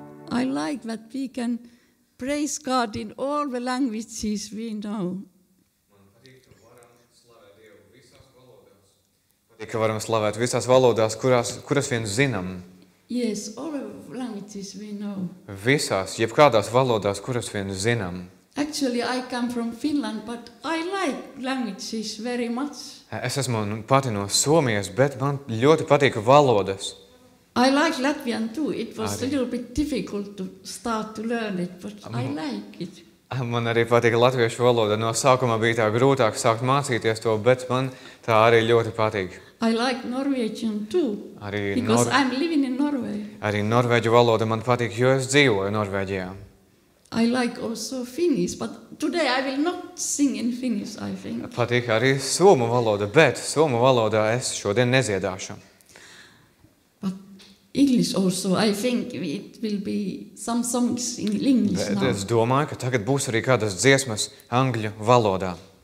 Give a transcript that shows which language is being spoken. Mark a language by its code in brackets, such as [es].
[en] I like that we can praise God in all the languages we know. [lv] Patīk, ka varam slavēt visās valodās, kuras vien zinām. [en] Yes, all languages we know. [lv] Visās, jebkādās valodās, kuras vien zinām. [en] Actually, I come from Finland, but I like languages very much. [lv] Es esmu pati no Somijas, bet man ļoti patīk valodas. [en] I like Latvian too. It was arī. A little bit difficult to start to learn it, but I like it. [lv] Man arī patīk latviešu valoda. No sākuma bija tā grūtāk sākt mācīties to, bet man tā arī ļoti patīk. [en] I like Norwegian too, [lv] arī [en] because I'm living in Norway. [lv] Arī norvēģu valoda man patīk, jo es dzīvoju Norvēģijā. [en] I like also Finnish, but today I will not sing in Finnish, I think. [lv] Patīk arī somu valoda, bet somu valodā es šodien neziedāšu. [en] But English also, I think it will be some songs in English [lv] bet [en] now. [lv] Es domāju, ka tagad būs arī kādas dziesmas angļu valodā.